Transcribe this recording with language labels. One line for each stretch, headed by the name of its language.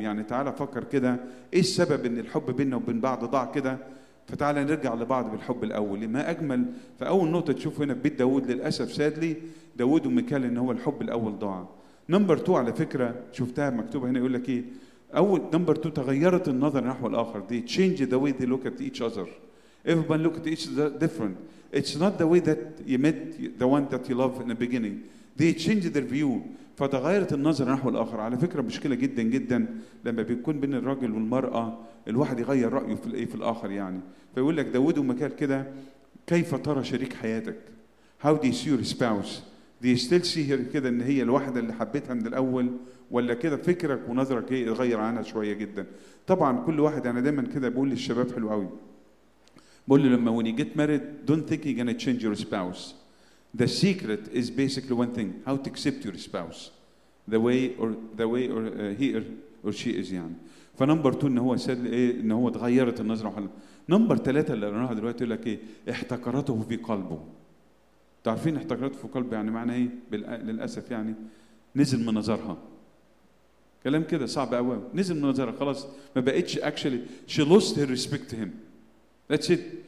Arabic: يعني تعالى فكر كده إيه السبب إن الحب بيننا وبين بعض ضاع كده، فتعالى نرجع لبعض بالحب الأول. ما أجمل. فأول نقطة تشوف هنا بيت داود للأسف سادلي داود وميكال إن هو الحب الأول ضاع. نمبر 2 على فكرة شفتها مكتوبة هنا يقول لك إيه، أول نمبر 2 تغيرت النظر نحو الآخر.
English: They change the way they look at each other. Everyone look at each other different. It's not the way that you met the one that you love in the beginning. They change their view.
Arabic: فتغيرت النظر نحو الآخر. على فكرة مشكلة جدا جدا لما بيكون بين الرجل والمرأة الواحد يغير رأيه في الايه في الآخر. يعني فيقول لك داود ومكال كده كيف ترى شريك حياتك؟
English: How do you see your spouse? Do you still see her
Arabic: كده ان هي الواحدة اللي حبيتها من الأول، ولا كده فكرك ونظرك ايه اتغير عنها شوية جدا؟ طبعا كل واحد، انا دايما كده بقول للشباب حلو قوي، بقول لما
English: when you get married don't think you're gonna change your spouse. The secret is basically one thing: how to accept your spouse, the way or he or she is. يعني.
Arabic: فنمبر 2 ان هو ايه ان هو اتغيرت النظره. نمبر 3 اللي قراناها دلوقتي يقول لك ايه، احتكرته في قلبه. تعرفين احتكرته في قلبه يعني معناه ايه؟ للاسف يعني نزل من نظرها، كلام كده صعب قوي، نزل من نظرها خلاص، ما بقتش اكشلي
English: She lost her respect him. That's it.